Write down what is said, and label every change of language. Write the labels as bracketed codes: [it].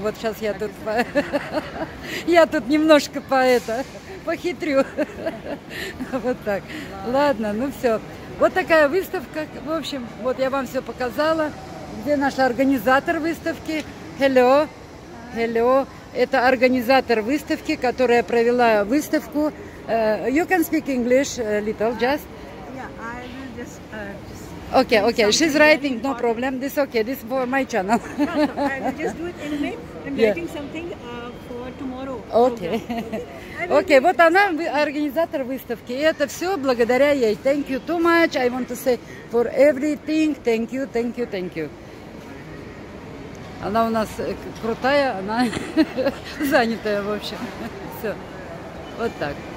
[ru] Вот сейчас я тут. Я тут немножко по это. Похитрю. Вот так. Ладно, ну все. Вот такая выставка. В общем, вот я вам все показала. Где наш организатор выставки? [en] Hello. Hello. [ru] Это организатор выставки, которая провела выставку. [en] You can speak English a little, just. Yeah, I will just... Okay, okay. She's writing, no problem. This is okay. This is for my channel. I will just do it anyway. I'm writing something for tomorrow. Okay. [ru] Окей, вот она, организатор выставки. И это все благодаря ей. [en] Thank you too much. I want to say for everything. Thank you, thank you, thank you. [ru] Она у нас крутая, она занятая, в общем. Все. Вот так.